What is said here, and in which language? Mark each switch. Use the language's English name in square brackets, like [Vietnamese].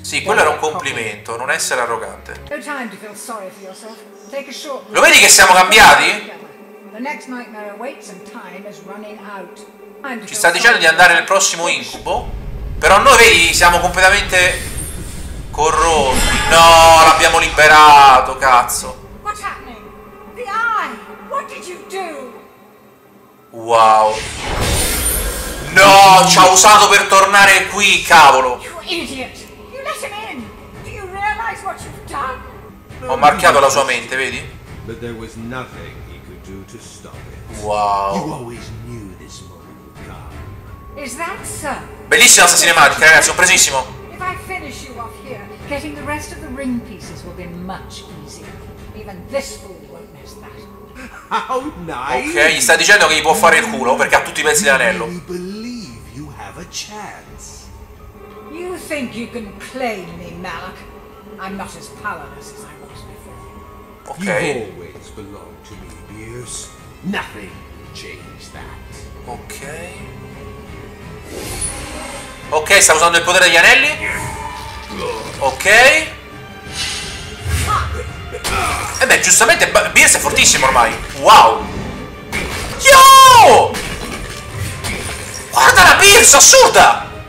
[Italian] Sì, quello era un complimento, non essere arrogante. [English] No time to feel sorry for yourself. Take a short. [Italian] Lo vedi che siamo cambiati? [English] The next nightmare awaits and time is running out. [Italian] Ci sta dicendo di andare nel prossimo incubo. Però noi, vedi, siamo completamente corrotti. No, l'abbiamo liberato, cazzo. [English] What's happening? The eye! What did you do? Wow. [Italian] No, ci ha usato per tornare qui, cavolo. [English] You idiot! You let him in! Do you realize what you've done? [Italian] Ho marchiato la sua mente, vedi? [English] But there was nothing he could do to stop it. Wow. You always knew this moment would come. Is that so? [Italian] Bellissima sta cinematica, ragazzi, un presissimo. [English] If I finish you off here, getting the rest of the ring pieces will be much easier. Even this fool won't miss that. How nice. [Italian] Ok, gli sta dicendo che gli può fare il culo perché ha tutti i pezzi dell'anello. [English] You believe you have a chance. You think you can claim me, Malak? I'm not as powerless as I was before. Okay. You always belong to me, Beers. Nothing will change that. Okay. [Italian] Ok, sta usando il potere degli anelli. Ok. E beh, giustamente, Beers è fortissimo ormai. Wow. Yo! Guarda la Beers, assurda!